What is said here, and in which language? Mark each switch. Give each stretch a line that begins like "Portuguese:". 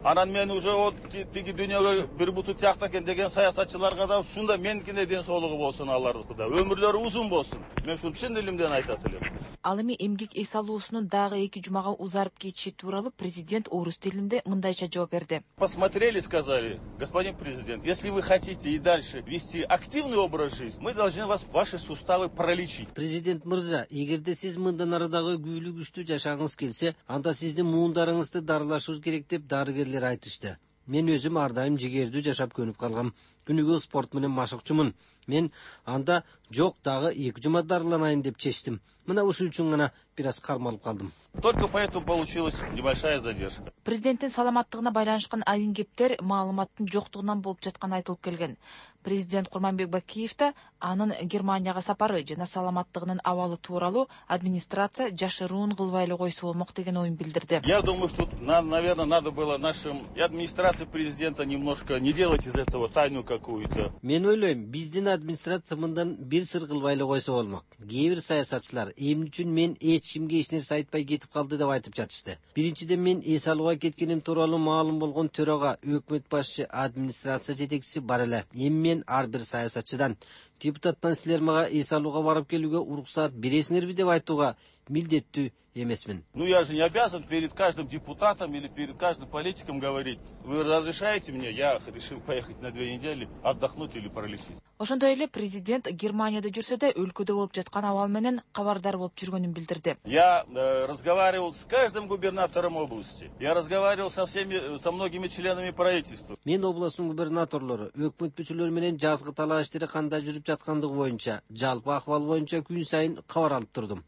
Kyrgyz: Анан мен уже дүйнөгө бир буту тиякта экен деген саясатчыларга да ушундай менкиндей ден соолугу болсун алардыкы да, өмүрлөрү узун болсун. Мен ушуну чын дилимден айтат элем. Ал эми эмгек эс алуусунун дагы 2 жумага узарып кетиши тууралуу президент орус тилинде мындайча жооп берди.
Russian: Посмотрели, сказали, господин президент, если вы хотите и дальше вести активный образ жизни, мы должны вас ваши суставы пролечить.
Kyrgyz: Президент мырза, эгерде сиз мындан арыдагы күйлүгүштүү жашагыңыз келсе, анда сиздин муундарыңызды дарылашыбыз керек деп дарыгерлер айтышты. Мен өзүм ар дайым жигердүү жашап көнүп калгам. Күнүгө спорт менен машыкчумун. Мен анда жок дагы 2 жума дарыланайын деп чечтим. Мына ушул үчүн гана бир аз кармалып калдым.
Russian: Только поэтому получилась небольшая задержка.
Kyrgyz: Президенттин саламаттыгына байланышкан айын кептер маалыматтын жоктугунан болуп жатканы айтылып келген. Президент Курманбек Бакиев да анын Германияга сапары жана саламаттыгынын абалы тууралуу администрация жашыруун кылбай эле койсо болмок деген оюн билдирди.
Russian: Я думаю, что нам, наверное, надо было нашим и администрации президента немножко не делать из этого тайну какую-то.
Kyrgyz: Мен ойлойм, биздин администрация мындан бир сыр кылбай эле койсо болмок. Кээ бир саясатчылар эмне үчүн мен эч кимге эч нерсе айтпай кетип калды деп айтып жатышты. Биринчиден мен эс алууга кеткеним тууралуу маалым болгон төрага, өкмөт башчы, администрация жетекчиси бар эле. Мен ар бир саясатчыдан депутаттан силер мага Эсалууга барып келүүгө уруксат бересиңерби деп айтууга милдеттүү эмесмин.
Russian: Ну я же не обязан перед каждым депутатом или перед каждым политиком говорить. Вы разрешаете мне? Я решил поехать на 2 недели отдохнуть или пролечиться.
Kyrgyz: Ошондой эле президент Германияда жүрсө да өлкөдө болуп жаткан абал менен кабардар болуп жүргөнүн билдирди.
Russian: Я разговаривал с каждым губернатором области. Я разговаривал со многими членами правительства.
Kyrgyz: Мен областтун губернаторлору, өкмөт мүчөлөрү менен жазгы талаш иштери кандай жүрүп жаткандыгы боюнча, жалпы акыбал боюнча күн сайын кабар алып турдум.